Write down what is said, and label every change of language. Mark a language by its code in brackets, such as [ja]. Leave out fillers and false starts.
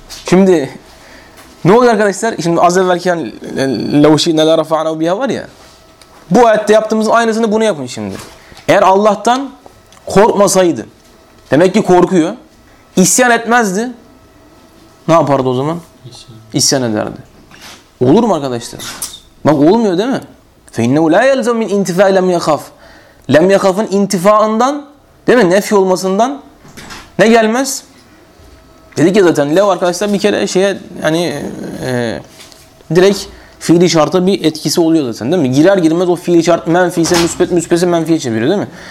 [tr] Şimdi ne oluyor arkadaşlar? Şimdi az evvelki levşi ne [ar] la rafa'na biha [tr] var ya. Bu ayette yaptığımızın aynısını bunu yapın şimdi. Eğer Allah'tan korkmasaydı, demek ki korkuyor, isyan etmezdi, ne yapardı o zaman? İsyan ederdi. Olur mu arkadaşlar? Bak olmuyor değil mi? [ar] فإنه لا يلزم من انتفاء لم يخاف. لم يخاف [tr] ın intifaından, değil mi? Nefi olmasından ne gelmez? Dedik ya zaten lev arkadaşlar bir kere şeye yani direkt fiili şarta bir etkisi oluyor zaten, değil mi? Girer girmez o fiili şart menfiyse müsbet, müsbetse menfiye çeviriyor, değil mi?